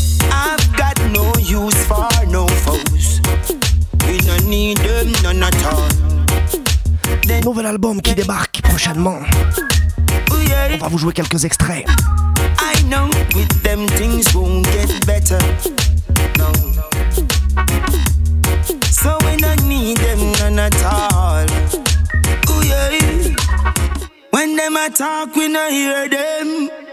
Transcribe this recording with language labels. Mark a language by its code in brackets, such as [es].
[en] I've got no use for no foes. We don't need them none at all. [fr] Nouvel album qui débarque prochainement. On va vous jouer quelques extraits. [en] I know with them things won't get better. No. So we don't need them none at all. Ooh, yeah. When them a talk, we don't hear them.